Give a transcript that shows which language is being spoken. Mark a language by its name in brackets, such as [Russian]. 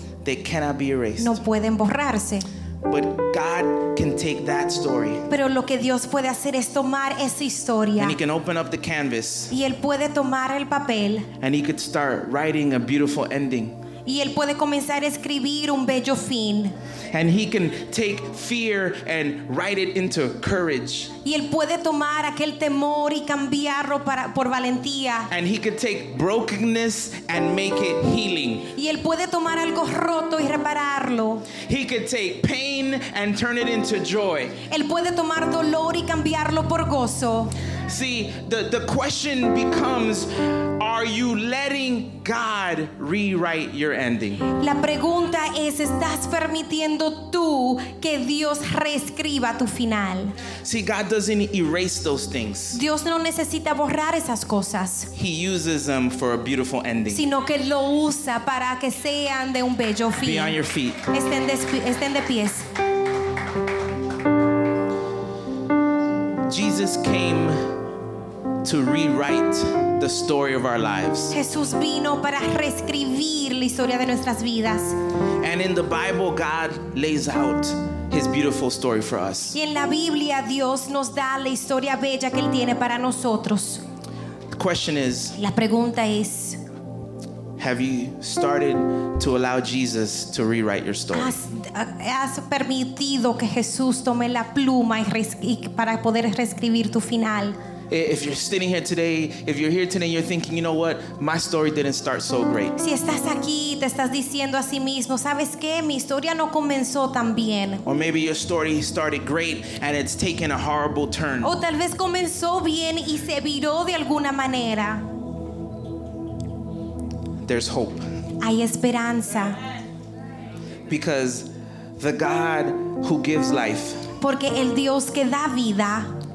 [English] They cannot be erased. [Spanish] No pueden borrarse. [English] But God can take that story. [Spanish] Pero lo que Dios puede hacer es tomar esa historia. [English] And he can open up the canvas. [Spanish] Y él puede tomar el papel. [English] And he could start writing a beautiful ending. [Spanish] Y él puede comenzar a escribir un bello fin. [English] And he can take fear and write it into courage. [Spanish] Y él puede tomar aquel temor y cambiarlo para, por valentía. [English] And he could take brokenness and make it healing. [Spanish] Y él puede tomar algo roto y repararlo. [English] He could take pain and turn it into joy. [Spanish] Él puede tomar dolor y cambiarlo por gozo. [English] See, the question becomes, are you letting God rewrite your ending? [Spanish] La pregunta es, ¿estás permitiendo tú que Dios reescriba tu final? [English] See, God doesn't erase those things. [Spanish] Dios no necesita borrar esas cosas. [English] He uses them for a beautiful ending. [Spanish] Sino que lo usa para que sean de un bello fin. [English] Be on your feet. [Spanish] Estén de pies. [English] Jesus came to rewrite the story of our lives. [Spanish] Jesús vino para reescribir la historia de nuestras vidas. [English] And in the Bible, God lays out his beautiful story for us. [Spanish] Y en la Biblia, Dios nos da la historia bella que él tiene para nosotros. [English] The question is, [Spanish] la pregunta es, [English] have you started to allow Jesus to rewrite your story? [Spanish] ¿Has permitido que Jesús tome la pluma y para poder reescribir tu final? [English] If you're sitting here today, if you're here today, you're thinking, you know what? My story didn't start so great. [Spanish] Si estás aquí, te estás diciendo a sí mismo, ¿sabes qué? Mi historia no comenzó tan bien. [English] Or maybe your story started great and it's taken a horrible turn. [Spanish] O tal vez comenzó bien y se viró de alguna manera. [English] There's hope. [Spanish] Hay esperanza. [English] Because the God who gives life. [Spanish] Porque el Dios que da vida.